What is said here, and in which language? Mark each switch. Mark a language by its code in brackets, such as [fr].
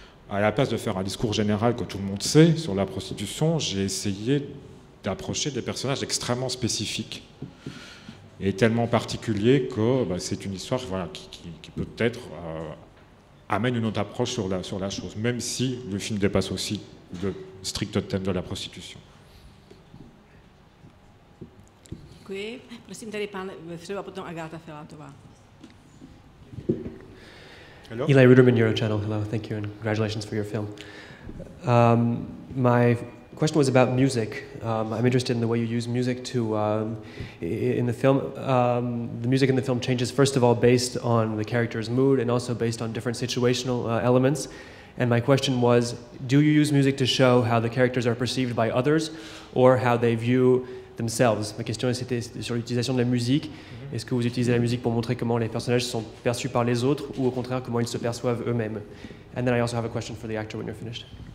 [fr] À la place de faire un discours général que tout le monde sait sur la prostitution, j'ai essayé d'approcher des personnages extrêmement spécifiques. Est tellement particulier que bah, c'est une histoire voilà, qui peut-être amène une autre approche sur la chose, même si le film dépasse aussi le strict thème de la prostitution. [cs] Děkuji. Prosím tady pan Vefřeva, potom Agáta Filátová. [en] Hello. Eli Ruderman, Eurochannel. Hello, thank you and congratulations for your film. My question was about music. I'm interested in the way you use music to in the film. The music in the film changes, first of all, based on the character's mood and also based on different situational elements. And my question was, do you use music to show how the characters are perceived by others or how they view themselves? [fr] Ma question c'était sur l'utilisation de la musique. Est-ce que vous utilisez la musique pour montrer comment les personnages sont perçus par les autres ou au contraire comment ils se perçoivent eux-mêmes? [en] And then I also have a question for the actor when you're finished.